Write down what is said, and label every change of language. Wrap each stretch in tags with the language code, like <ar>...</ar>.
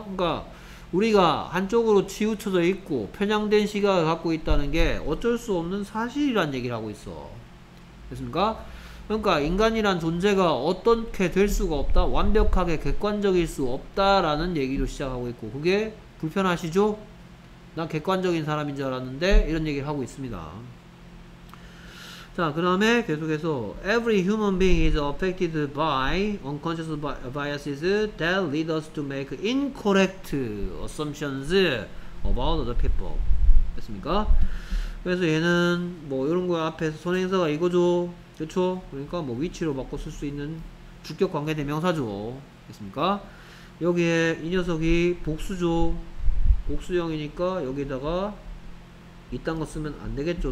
<ko>그러니까 우리가 한쪽으로 치우쳐져 있고 편향된 시각을 갖고 있다는 게 어쩔 수 없는 사실이란 얘기를 하고 있어. 됐습니까? 그러니까 인간이란 존재가 어떻게 될 수가 없다, 완벽하게 객관적일 수 없다라는 얘기로 시작하고 있고, 그게 불편하시죠? 난 객관적인 사람인 줄 알았는데 이런 얘기를 하고 있습니다. 자, 그 다음에 계속해서</ko> <en>Every human being is affected by unconscious biases that lead us to make incorrect assumptions about other people.</en> <ko>됐습니까? 그래서 얘는 뭐 이런 거 앞에서 선행사가 이거죠. 그쵸? 그러니까 뭐 위치로 바꿔 쓸 수 있는 주격 관계 대명사죠. 됐습니까? 여기에 이 녀석이 복수죠. 복수형이니까 여기다가 이딴 거 쓰면 안 되겠죠.</ko>